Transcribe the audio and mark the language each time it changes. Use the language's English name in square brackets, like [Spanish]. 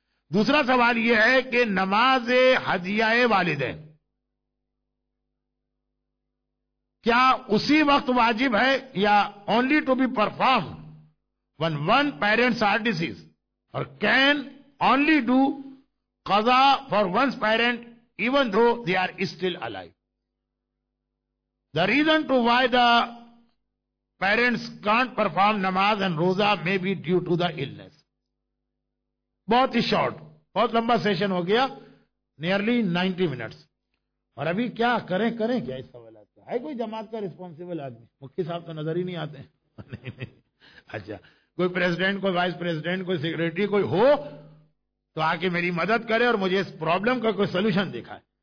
[Urdu] دوسرا سوال یہ ہے کہ نماز حدیہ والدین کیا اسی وقت واجب ہے یا [English] Only to be perform when one parents are deceased اور can only do qaza for once parent even though they are still alive. The reason to why the parents can't perform namaz and roza may be due to the illness. [Urdu] بہت ہی short, بہت لمبا session ہو گیا, nearly 90 minutes. اور ابھی کیا کریں, کریں کیا اس سوالات کا؟ ہے کوئی جماعت کا ریسپانسیبل آدمی؟ مکھی صاحب تو نظر ہی نہیں آتے. اچھا کوئی پریزیڈنٹ, کوئی وائس پریزیڈنٹ, کوئی سیکرٹری, کوئی ہو تو آ کے میری مدد کرے اور مجھے اس پرابلم کا کوئی سولوشن دکھائے.